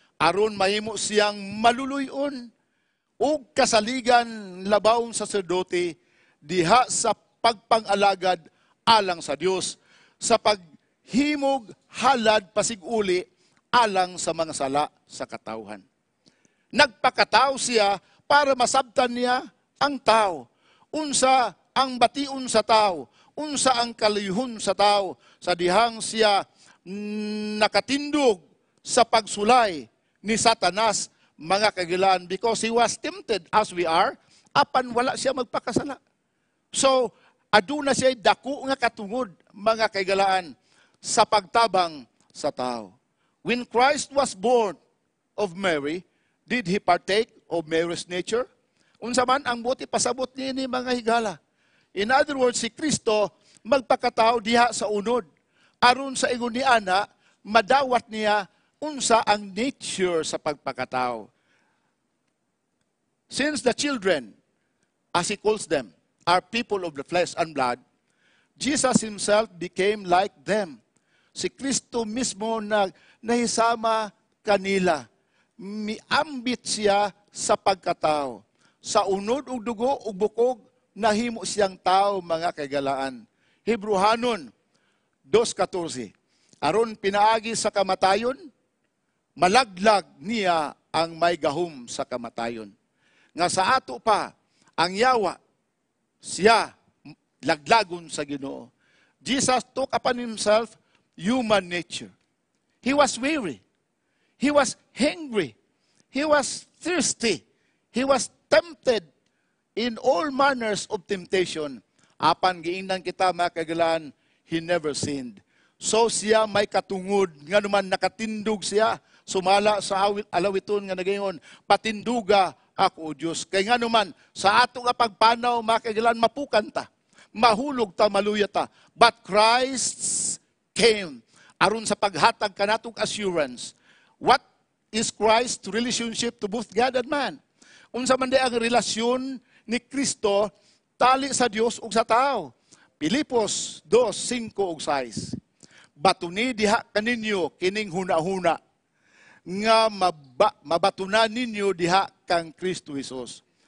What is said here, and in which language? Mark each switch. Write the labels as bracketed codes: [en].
[ceb] Aron mahimo siyang maluluyon ug kasaligan labaw sa sacerdote diha sa pagpangalagad alang sa Dios sa paghimog halad pasiguli alang sa mga sala sa katawhan. Nagpakataw siya para masabtan niya ang tao. Unsa ang bation sa tao? Unsa ang kalihun sa tao? Sa dihang siya nakatindog sa pagsulay ni Satanas, mga kagilan, [en] because he was tempted as we are, [ceb] apan wala siya magpakasala. So, aduna siya'y dako nga katungod, mga kagilaan, sa pagtabang sa tao. [en] When Christ was born of Mary, did he partake of Mary's nature? [ceb] Unsa man ang buti pasabot niini mga higala. [en] In other words, [ceb] si Kristo magpakatao diha sa unod. Aron sa ingon ni Ana, madawat niya unsa ang nature sa pagpakatao. [en] Since the children, as he calls them, are people of the flesh and blood, Jesus himself became like them. [ceb] Si Kristo mismo nahisama kanila. Miambit siya sa pagkatao. Sa unod ug dugo ug bukog, nahimo siyang tao, mga kaigalaan. Hebruhanon 2:14. Aron pinaagi sa kamatayon, malaglag niya ang may gahum sa kamatayon. Nga sa ato pa, ang yawa, siya laglagon sa Ginoo. [en] Jesus took upon himself human nature. He was weary. He was hungry. He was thirsty. He was tempted in all manners of temptation. [ceb] Apan giingnan kita, mga kagalaan, [en] he never sinned. [ceb] So siya may katungod. Nga naman nakatindog siya. Sumala sa alawiton nga nagayon, patinduga ako, O Diyos. Kaya nga naman, sa atong apagpanaw, mga kagalaan, mapukan ta. Mahulog ta, maluya ta. [en] But Christ came. [ceb] Aron sa paghatag ka natong assurance. [en] What is Christ's relationship to both God and man? [ceb] Unsa man di ang relasyon ni Kristo tali sa Dios ug sa tao. Pilipos 2:5-6. Batuni diha kaninyo kining hunahuna nga mabatunan ninyo diha kang Kristo Jesus.